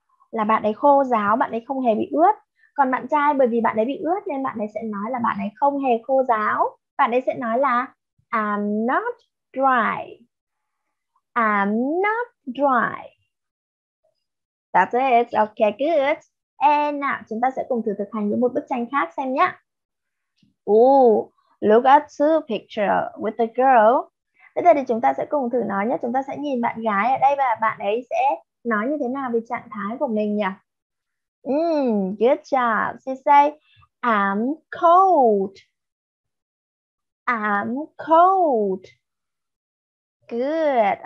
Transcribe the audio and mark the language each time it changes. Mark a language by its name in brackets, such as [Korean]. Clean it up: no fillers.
[Vietnamese] Là bạn ấy khô ráo, bạn ấy không hề bị ướt. Còn bạn trai bởi vì bạn ấy bị ướt nên bạn ấy sẽ nói là bạn ấy không hề khô ráo. Bạn ấy sẽ nói là [English] I'm not dry. I'm not dry. That's it. Okay, good. And now [Vietnamese] chúng ta sẽ cùng thử thực hành với một bức tranh khác xem nhé. [English] Ooh, look at two picture with the girl. [Vietnamese] Bây giờ thì chúng ta sẽ cùng thử nói nhé. Chúng ta sẽ nhìn bạn gái ở đây và bạn ấy sẽ nói như thế nào về trạng thái của mình nhỉ? [English] Good job. She say, I'm cold. I'm cold. Good.